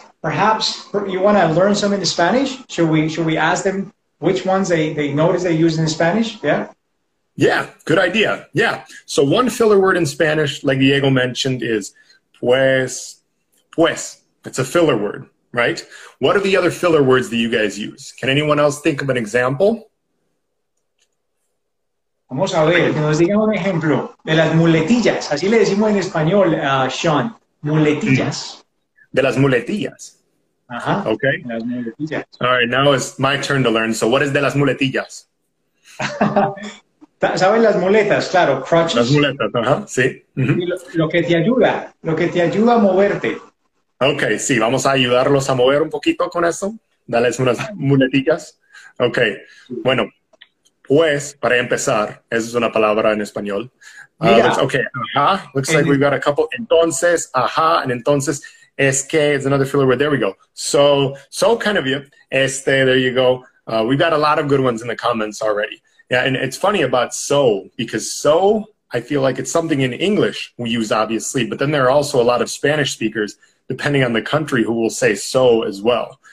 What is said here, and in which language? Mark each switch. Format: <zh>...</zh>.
<en>Perhaps you want to learn some in Spanish? Should we ask them which ones they notice they use in Spanish? Yeah? Yeah, good idea. Yeah. So one filler word in Spanish, like Diego mentioned, is pues. It's a filler word. Right? What are the other filler words that you guys use? Can anyone else think of an example?</en> <es>Vamos a ver, que nos digan un ejemplo de las muletillas. Así le decimos en español, Sean. Muletillas. De las muletillas. Uh-huh. Okay. De las muletillas.</es> <en>All right, now it's my turn to learn. So what is de las muletillas?</en> <es>¿Sabes las muletas? Claro, crutches. Las muletas, ajá, uh-huh. Sí. Uh-huh. Lo que te ayuda a moverte. Okay, sí, vamos a ayudarlos a mover un poquito con eso. Dales unas muletillas. Okay, bueno, pues, para empezar, esa es una palabra en español.</es> <en>We've got a couple. Entonces, ajá, and entonces, es que, it's another filler word. There we go. So kind of you. There you go. We've got a lot of good ones in the comments already. Yeah, and it's funny about so, because so, I feel like it's something in English we use, obviously, but then there are also a lot of Spanish speakers, depending on the country, who will say so as well.</en>